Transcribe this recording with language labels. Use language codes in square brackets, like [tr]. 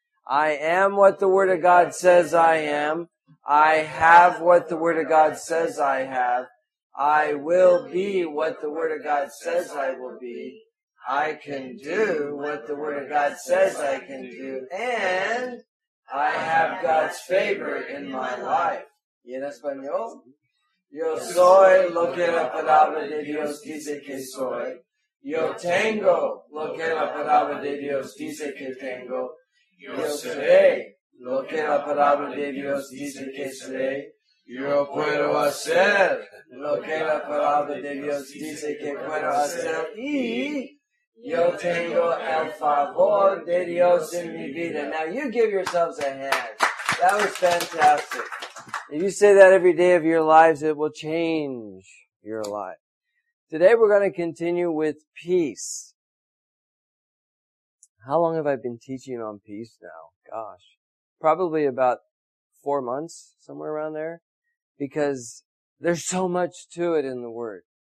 [en] I am what the Word of God says I am. I have what the Word of God says I have. I will be what the Word of God says I will be. I can do what the Word of God says I can do. And I have God's favor in my life. [es] ¿Y en español? Yo soy lo que la palabra de Dios dice que soy. Yo tengo lo que la palabra de Dios dice que tengo. Yo seré lo que la palabra de Dios dice que seré. Yo puedo hacer lo que la palabra de Dios dice que puedo hacer. Y yo tengo el favor de Dios en mi vida. [en] Now you give yourselves a hand. That was fantastic. If you say that every day of your lives, it will change your life. Today we're going to continue with peace. How long have I been teaching on peace now? Gosh, probably about 4 months, somewhere around there, because there's so much to it in the Word.